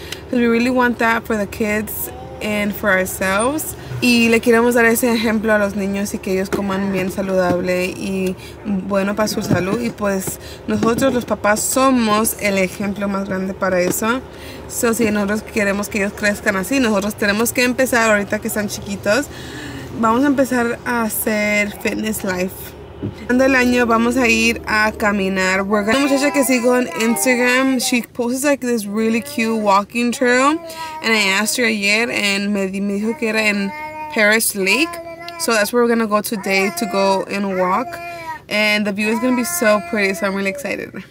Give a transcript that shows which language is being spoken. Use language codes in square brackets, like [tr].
[en] Because we really want that for the kids and for ourselves. [es] Y le queremos dar ese ejemplo a los niños y que ellos coman bien saludable y bueno para su salud. Y pues nosotros los papás somos el ejemplo más grande para eso. So si nosotros queremos que ellos crezcan así, nosotros tenemos que empezar ahorita que están chiquitos. Vamos a empezar a hacer fitness life. Durante el año vamos a ir a caminar. Una muchacha que sigo en Instagram, [en] she posts like this really cute walking trail, and I asked her [es] ayer [en] and [es] me dijo que era en [en] Paris Lake, so that's where we're gonna go today to go and walk, and the view is gonna be so pretty, so I'm really excited.